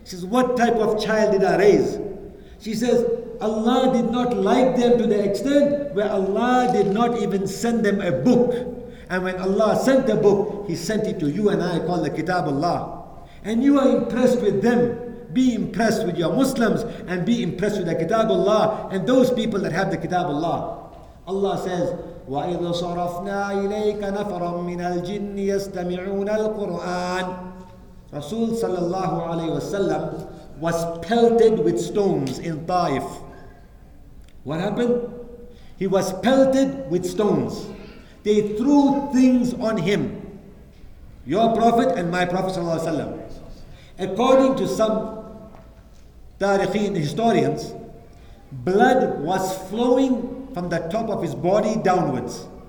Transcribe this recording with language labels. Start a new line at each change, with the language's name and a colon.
English: She says, what type of child did I raise? She says, Allah did not like them to the extent where Allah did not even send them a book. And when Allah sent the book, He sent it to you and I, called the Kitab Allah. And you are impressed with them. Be impressed with your Muslims and be impressed with the Kitab Allah and those people that have the Kitab Allah. Allah says,
Arabic: وَإِذْ صَرَفْنَا إِلَيْكَ نَفَرًا مِّنَ الْجِنِّ يَسْتَمِعُونَ الْقُرْآنَ.
English: Rasul sallallahu alayhi wasallam was pelted with stones in Taif. What happened? He was pelted with stones. They threw things on him. Your Prophet and my Prophet sallallahu alayhi wasallam. According to some tarikhin historians, blood was flowing from the top of his body downwards.